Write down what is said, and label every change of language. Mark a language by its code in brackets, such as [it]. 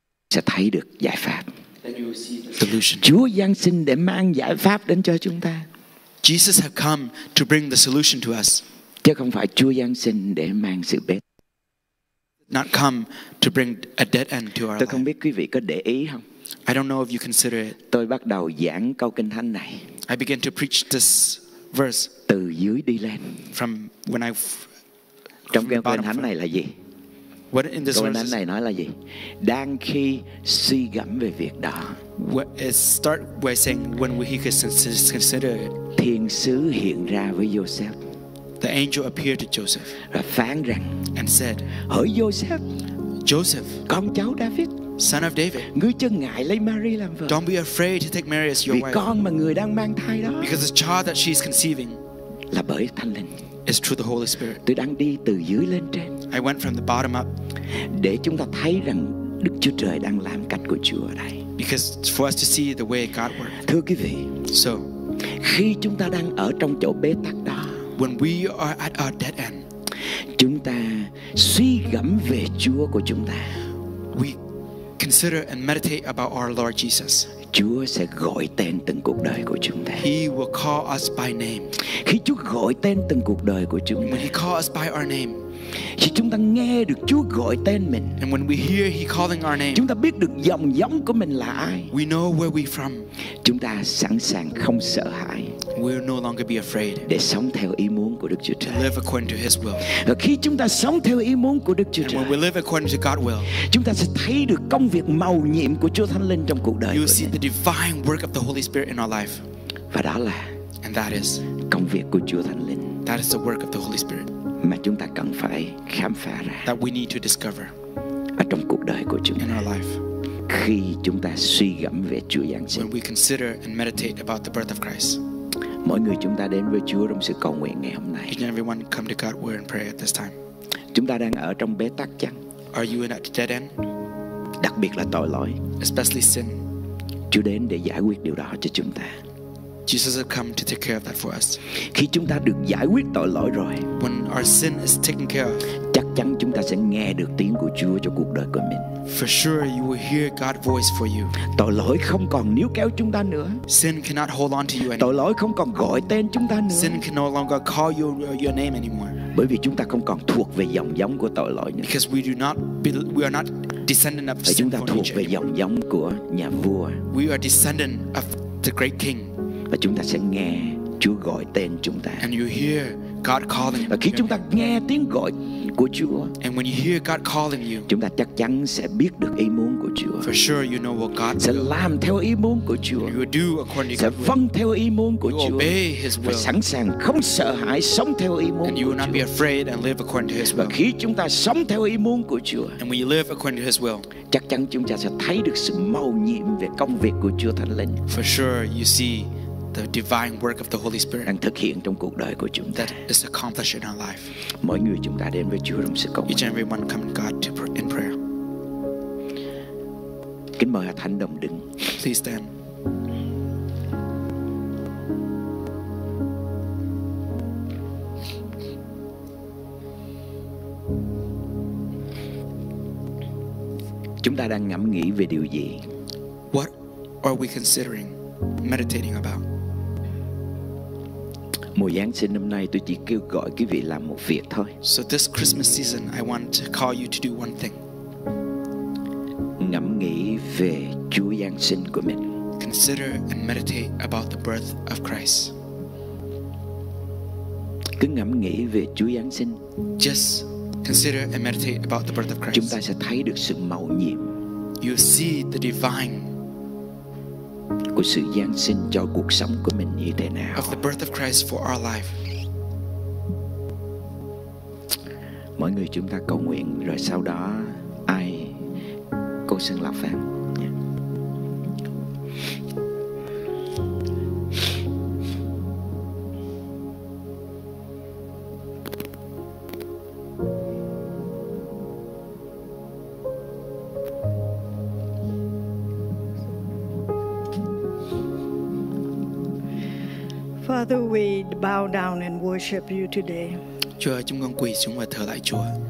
[vi] sẽ thấy được giải pháp. [en] Solution. [vi] Chúa giáng sinh để mang giải pháp đến cho chúng ta. [en] Jesus has come to bring the solution to us. [vi] Chứ không phải Chúa giáng sinh để mang sự bế tắc. [en] Not come to bring a dead end to our [vi] life. Tôi không biết quý vị có để ý không. [en] I don't know if you consider it. [vi] Tôi bắt đầu giảng câu kinh thánh này. [en] I began to preach this verse. [vi] Từ dưới đi lên. [en] From when I. [vi] Trong câu kinh thánh này là gì? [en] What in this verse? [vi] Câu kinh thánh này nói là gì? Đang khi suy gẫm về việc đó. [en] It start by saying when he consider it. [vi] Thiên sứ hiện ra với Joseph. [en] The angel appeared to Joseph. [vi] Và phán rằng. [en] And said. [vi] Hỡi Joseph. [en] Joseph. [vi] Con cháu David. [en] Son of David, [vi] ngươi chớ ngại lấy Mary làm vợ. [en] Don't be afraid to take Mary as your [vi] wife. Vì con mà người đang mang thai đó. [en] Because the child that she is conceiving [vi] là bởi Thánh Linh. [en] Is through the Holy Spirit. [vi] Tôi đang đi từ dưới lên trên. [en] I went from the bottom up. [vi] Để chúng ta thấy rằng Đức Chúa Trời đang làm cách của Chúa ở đây. [en] Because for us to see the way God works. [vi] Thưa quý vị. [en] So [vi] khi chúng ta đang ở trong chỗ bế tắc đó. [en] When we are at our dead end. [vi] Chúng ta suy gẫm về Chúa của chúng ta. [en] We consider and meditate about our Lord Jesus. [vi] Chúa sẽ gọi tên từng cuộc đời của chúng ta. [en] He will call us by name. [vi] Khi Chúa gọi tên từng cuộc đời của chúng ta. [en] When He calls us by our name. [vi] Khi chúng ta nghe được Chúa gọi tên mình. [en] And when we hear He calling our name. [vi] Chúng ta biết được dòng giống của mình là ai. [en] We know where we from. [vi] Chúng ta sẵn sàng không sợ hãi. [en] We'll no longer be afraid. [vi] Để sống theo ý muốn của Đức Chúa Trời. [en] Live according to His will. [vi] Và khi chúng ta sống theo ý muốn của Đức Chúa Trời. [en] And when we live according to God's will. [vi] Chúng ta sẽ thấy được công việc mầu nhiệm của Chúa Thánh Linh trong cuộc đời. [en] You'll see the divine work of the Holy Spirit in our life. [vi] Và đó là. [en] And that is. [vi] Công việc của Chúa Thánh Linh. [en] That is the work of the Holy Spirit. [vi] Mà chúng ta cần phải khám phá ra. [en] That we need to discover. [vi] Ở trong cuộc đời của chúng ta. [en] In our life. [vi] Khi chúng ta suy gẫm về Chúa giáng sinh. [en] When we consider and meditate about the birth of Christ. [vi] Mọi người chúng ta đến với Chúa trong sự cầu nguyện ngày hôm nay. [en] Can everyone come to God's word and pray at this time? [vi] Chúng ta đang ở trong bế tắc chăng? [en] Are you in a dead end? [vi] Đặc biệt là tội lỗi. [en] Especially sin. [vi] Chúa đến để giải quyết điều đó cho chúng ta. [en] Jesus has come to take care of that for us. [vi] Khi chúng ta được giải quyết tội lỗi rồi, [en] when our sin is taken care of, [vi] chắc chắn chúng ta sẽ nghe được tiếng của Chúa cho cuộc đời của mình. [en] For sure, you will hear God's voice for you. [vi] Tội lỗi không còn níu kéo chúng ta nữa. [en] Sin cannot hold on to you anymore. [vi] Tội lỗi không còn gọi tên chúng ta nữa. [en] Sin can no longer call your name anymore. [vi] Bởi vì chúng ta không còn thuộc về dòng giống của tội lỗi nữa. [en] Because we are not descendant of sin. [vi] Chúng ta thuộc về dòng giống của nhà vua. [en] We are descendant of the great king. [vi] Và chúng ta sẽ nghe Chúa gọi tên chúng ta. [en] And you hear God calling. [vi] Và khi chúng ta nghe tiếng gọi của Chúa, [en] and when you hear God calling you, [vi] chúng ta chắc chắn sẽ biết được ý muốn của Chúa. [en] For sure you know what God [vi] sẽ làm theo ý muốn của Chúa. [en] You will do according to God. [vi] Sẽ vâng theo ý muốn của Chúa. [en] You obey His will. [vi] Và sẵn sàng không sợ hãi sống theo ý muốn của Chúa. [en] And you will not be afraid and live according to His will. [vi] Và khi chúng ta sống theo ý muốn của Chúa, [en] and when you live according to His will, [vi] chắc chắn chúng ta sẽ thấy được sự mầu nhiệm về công việc của Chúa Thánh Linh. [en] For sure you see the divine work of the Holy Spirit [vi] đang thực hiện trong cuộc đời của chúng ta. [en] That is accomplished in our life. [vi] Mỗi người chúng ta đến với Chúa trong sự cầu nguyện. [en] Each and everyone come to God in prayer. [vi] Kính mời thánh đồng đứng. [en] Please stand. [vi] Chúng ta đang ngẫm nghĩ về điều gì? [en] What are we considering, meditating about? [vi] Mùa Giáng sinh năm nay tôi chỉ kêu gọi quý vị làm một việc thôi. [en] So this Christmas season I want to call you to do one thing. [vi] Ngẫm nghĩ về Chúa Giáng sinh của mình. [en] Consider and meditate about the birth of Christ. [vi] Cứ ngẫm nghĩ về Chúa Giáng sinh. [en] Just consider and meditate about the birth of Christ. [vi] Chúng ta sẽ thấy được sự mầu nhiệm. [en] You see the divine [vi] của sự giáng sinh cho cuộc sống của mình như thế nào. [en] Of the birth of Christ for our life. [vi] Mọi người chúng ta cầu nguyện rồi sau đó ai cô xin lạc phép. [en] Father, we bow down and worship you today. [vi] Chúa, chúng con quỳ xuống và thờ lại Chúa.